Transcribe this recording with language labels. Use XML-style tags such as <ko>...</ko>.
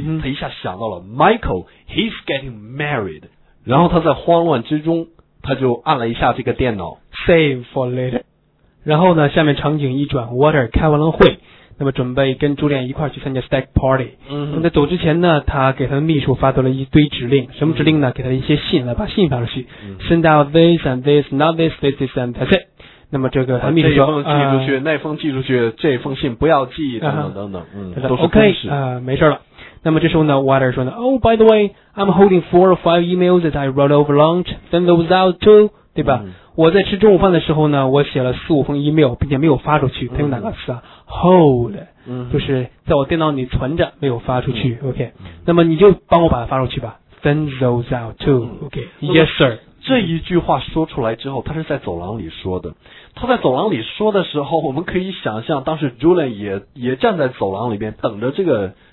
<zh>他一下想到了 Michael</zh> <en>he's getting married，</en> <zh>然后他在慌乱之中他就按了一下这个电脑</zh> <en>save for later。</en> <zh>然后呢下面场景一转， Water 开完了会，那么准备跟朱莉安一块去参加 stag party。在走之前呢，他给他的秘书发出了一堆指令，什么指令呢？给他一些信，来把信发出去。</zh> <en>Send out this and this, not this, this, this and that's it。</en> <zh>那么这个他秘书说，这封寄出去，那封寄出去，这封信不要寄，等等等等。都是公事。 OK、没事了。那么这时候呢</zh> <en>，Water</en> <zh>说呢</zh> <en>，Oh by the way， I'm holding 4 or 5 emails that I wrote over lunch， send those out too，</en> <zh>对吧？我在吃中午饭的时候呢，我写了4-5封 email， 并且没有发出去。他用哪个词啊 ？Hold， 就是在我电脑里存着，没有发出去。 OK， 那么你就帮我把它发出去吧 ，</zh> <en>send those out too。 OK， yes sir。</en> <zh>这一句话说出来之后，他是在走廊里说的。他在走廊里说的时候，我们可以想象，当时 Julian 也站在走廊里边等着这个。</zh>